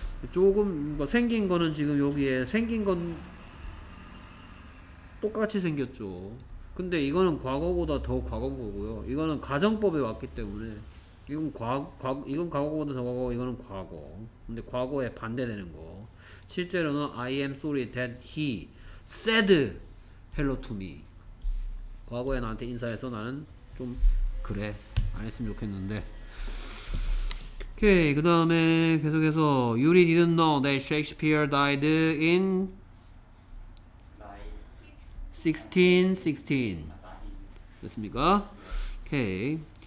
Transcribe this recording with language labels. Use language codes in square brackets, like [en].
[ko] 조금 뭐 생긴 거는 지금 여기에 생긴 건 똑같이 생겼죠. 근데 이거는 과거보다 더 과거인 거고요. 이거는 가정법에 왔기 때문에 이건 이건 과거보다 더 과거, 이거는 과거. 근데 과거에 반대되는 거. 실제로는 [en] I am sorry that he said hello to me. [ko] 과거에 나한테 인사해서 나는 좀 그래. 안 했으면 좋겠는데. 오케이. [en] 그 다음에 계속해서 유리 didn't know that Shakespeare died in 1616. [ko] 됐습니까? 오케이.